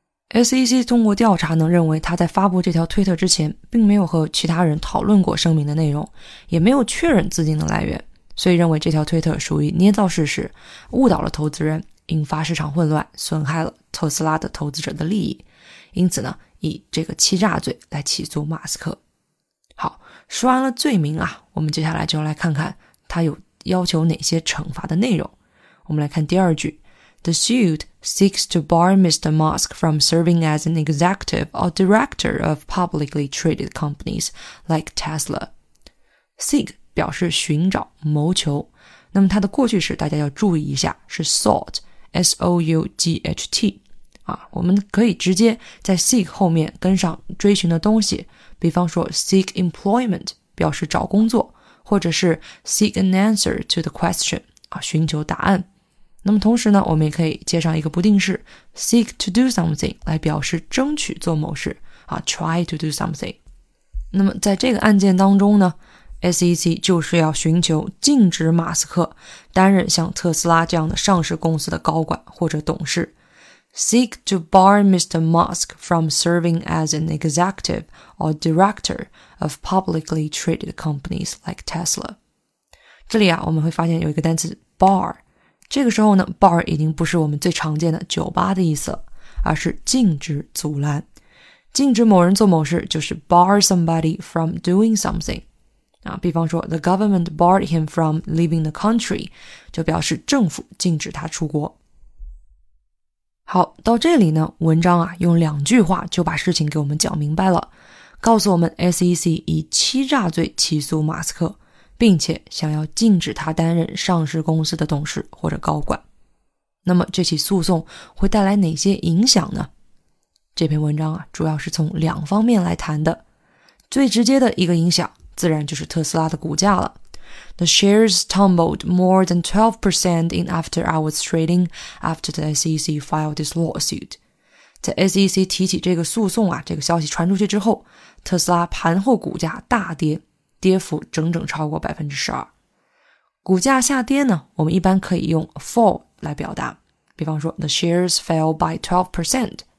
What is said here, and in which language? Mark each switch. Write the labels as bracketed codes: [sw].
[zh] SEC 通过调查呢认为他在发布这条推特之前并没有和其他人讨论过声明的内容，也没有确认资金的来源，所以认为这条推特属于捏造事实，误导了投资人，引发市场混乱，损害了特斯拉的投资者的利益，因此呢以这个欺诈罪来起诉马斯克。好，说完了罪名啊，我们接下来就来看看他有要求哪些惩罚的内容。我们来看第二句， [en] The suit seeks to bar Mr. Musk from serving as an executive or director of publicly traded companies like Tesla。 [zh] Seek 表示寻找、谋求，那么它的过去式大家要注意一下，是 sought， S-O-U-G-H-T、啊、我们可以直接在 seek 后面跟上追寻的东西，比方说 [en] seek employment [zh] 表示找工作，或者是 [en] seek an answer to the question、 [zh] 啊、寻求答案。那么同时呢，我们也可以接上一个不定式 [en] seek to do something [zh] 来表示争取做某事啊 [en] try to do something。 [zh] 那么在这个案件当中呢， SEC 就是要寻求禁止马斯克担任像特斯拉这样的上市公司的高管或者董事。 [en] seek to bar Mr. Musk from serving as an executive or director of publicly traded companies like Tesla。 [zh] 这里啊我们会发现有一个单词 bar，这个时候呢 bar 已经不是我们最常见的酒吧的意思了，而是禁止、阻拦。禁止某人做某事就是 [en] bar somebody from doing something、 [zh] 啊、比方说 [en] the government barred him from leaving the country [zh] 就表示政府禁止他出国。好，到这里呢文章啊用两句话就把事情给我们讲明白了，告诉我们 SEC 以欺诈罪起诉马斯克，并且想要禁止他担任上市公司的董事或者高管。那么这起诉讼会带来哪些影响呢？这篇文章啊，主要是从两方面来谈的。最直接的一个影响自然就是特斯拉的股价了。 [en] The shares tumbled more than 12% in after hours trading after the SEC filed this lawsuit。 [zh] 在 SEC 提起这个诉讼啊，这个消息传出去之后，特斯拉盘后股价大跌，跌幅整整超过 12%。股价下跌呢，我们一般可以用 fall 来表达，比方说 [en] the shares fell by 12%。